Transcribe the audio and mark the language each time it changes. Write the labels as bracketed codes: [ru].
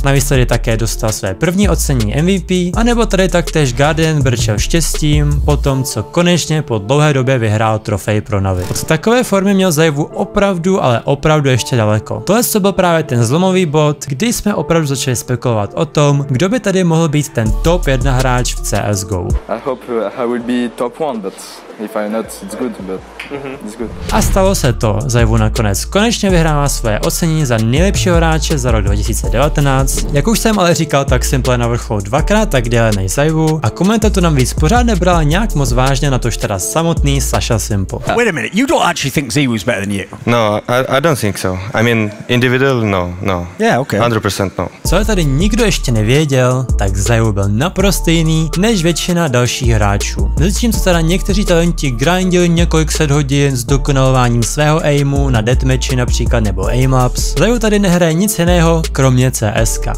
[cs] Navíc tady také dostal své první ocenění MVP, anebo tady taktéž Guardian brčel štěstím po tom, co konečně po dlouhé době vyhrál trofej pro Navi. Od takové formy měl Zajo opravdu, ale opravdu ještě daleko. Tohle to byl právě ten zlomový bod, kdy jsme opravdu začali spekulovat o tom, kdo by tady mohl být ten top 1 hráč v CSGO. [en] I hope I will be top 1, but if I'm not, it's good, but it's good. [cs] A stalo se to, Zajo nakonec konečně vyhrává svoje ocenění za nejlepšího hráče za rok 2019. Jak už jsem ale říkal, tak Simple na vrcholu dvakrát tak déle než Zajo a komunita to navíc pořád nebrala nějak moc vážně, natož teda samotný Saša Simple. [en] Wait a minute, you don't actually think Zajo is better than you? No, I don't think so. I mean, individual, no. Yeah, okay. 100% no. [cs] Co je tady nikdo ještě nevěděl, tak Zajo byl naprosto jiný než většina dalších hráčů. Zatímco teda někteří talenti grindili několik set hodin s dokonalováním svého aimu na deathmatchi například nebo aimlabs, Zajo tady nehraje nic jiného, kromě CSK.